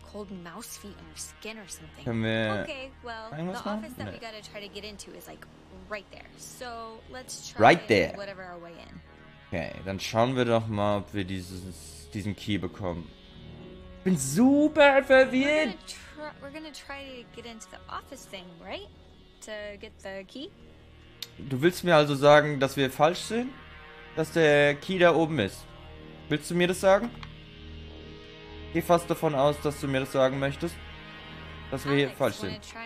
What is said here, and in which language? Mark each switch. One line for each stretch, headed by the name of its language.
English: Old mouse feet on your skin or something. Come here. Okay, well, the office that we gotta try to get into is like right there. So let's try right there. Whatever our way in.
German: Okay, dann schauen wir doch mal, ob wir diesen Key bekommen. Ich bin super verwirrt.
English: We're gonna try to get into the office thing, right? To get the key.
German: Du willst mir also sagen, dass wir falsch sind? Dass der Key da oben ist? Willst du mir das sagen? gehe fast davon aus, dass du mir das sagen möchtest, dass wir hier falsch sind.